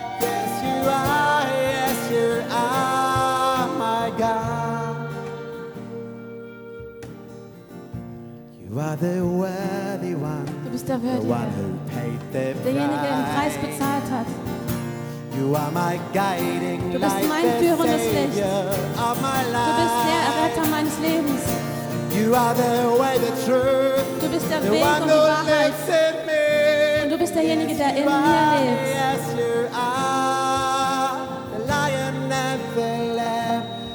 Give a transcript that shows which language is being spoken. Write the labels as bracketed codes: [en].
[en] Yes, you are, yes, you are, my God. You are the worthy one. [de] Du bist der Würdige. [en] The one who paid the price. [de] Derjenige, der den Preis bezahlt hat. [en] You are my guiding light. [de] Du bist mein führendes Licht. Du bist der Erretter meines Lebens. [en] You are the way, the truth. [de] Du bist der Weg und die Wahrheit. Und du bist derjenige, der in mir lebt. [en] Yes, you are the lion and the lamb.